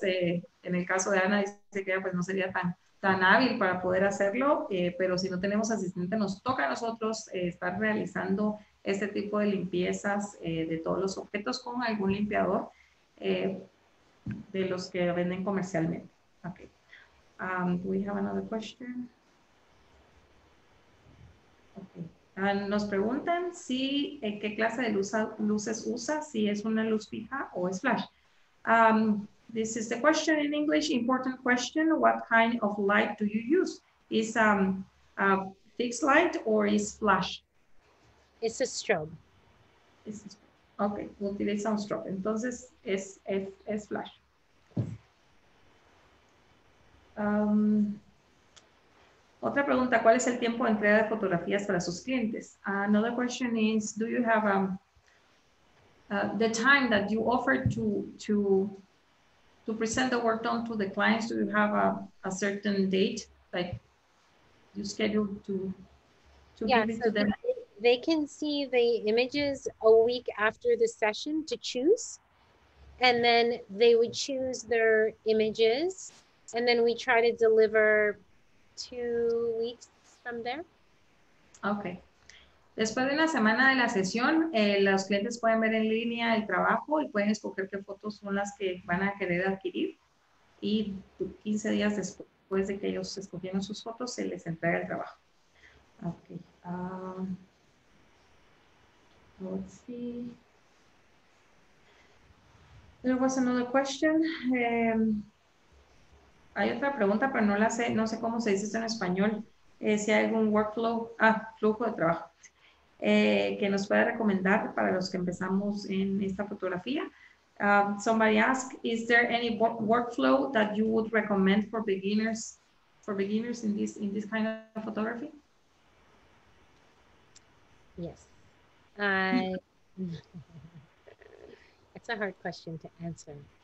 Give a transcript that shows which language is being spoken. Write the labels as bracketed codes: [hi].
[es] En el caso de Ana, dice que ella pues, no sería tan hábil para poder hacerlo, pero si no tenemos asistente, nos toca a nosotros estar realizando este tipo de limpiezas de todos los objetos con algún limpiador de los que venden comercialmente. Okay. [en] Do we have another question? [es] Okay. Nos preguntan si qué clase de luces usa, si es una luz fija o es flash. [en] This is the question in English, important question. What kind of light do you use? Is a fixed light or is flash? It's a strobe. [es] Is okay, utiliza un strobe. Entonces es flash. Otra pregunta, ¿cuál es el tiempo de entrega de fotografías para sus clientes? [en] Another question is, do you have the time that you offer to present the work done to the clients? Do you have a certain date, like you schedule to Yeah, give it to so them? they can see the images a week after the session to choose. And then they would choose their images. And then we try to deliver 2 weeks from there. Okay. [es] Después de una semana de la sesión, los clientes pueden ver en línea el trabajo y pueden escoger qué fotos son las que van a querer adquirir. Y 15 días después de que ellos escogieron sus fotos, se les entrega el trabajo. [en] Okay. Let's see. There was another question. [es] Hay otra pregunta, pero no la sé. No sé cómo se dice esto en español. Si hay algún workflow, flujo de trabajo. Que nos puede recomendar para los que empezamos en esta fotografía. [en] Somebody asked, is there any workflow that you would recommend for beginners in this kind of photography? Yes. It's a hard question to answer.